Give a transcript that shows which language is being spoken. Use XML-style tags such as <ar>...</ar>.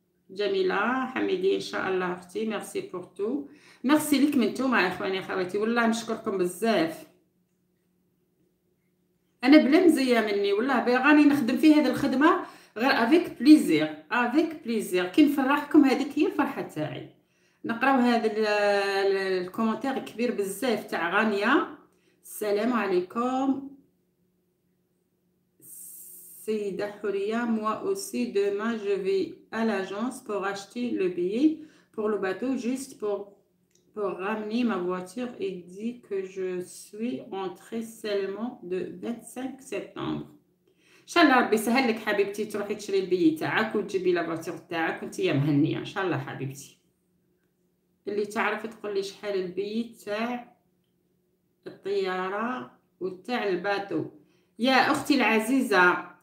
<ar>جميلة حميدي إن شاء الله أختي،</ar> <fr>ميرسي بور تو،</fr> <ar>ميرسي لك من توما يا إخواني يا خواتي، والله نشكركم بزاف. أنا بلا مزية مني والله، باغاني نخدم في هذه الخدمة غير</ar> <fr>افيك بليزير،</fr> <ar>افيك بليزير كي نفرحكم هذيك هي الفرحة تاعي. نقراو هذا الكومنتير كبير بزاف تاع غانيا. السلام عليكم سيدة حورية،</ar> <fr>moi aussi demain je vais à l'agence pour acheter le billet pour le bateau juste pour ramener ma voiture et dit que je suis entrée seulement de 25 septembre.</fr> <ar>ان شاء الله ربي يسهل لك حبيبتي تروحي تشري البيي تاعك وتجيبي لافاتور تاعك وانت يا مهنيه ان شاء الله حبيبتي. اللي تعرف تقول لي شحال البيي تاع الطياره وتاع الباتو يا اختي العزيزه.</ar>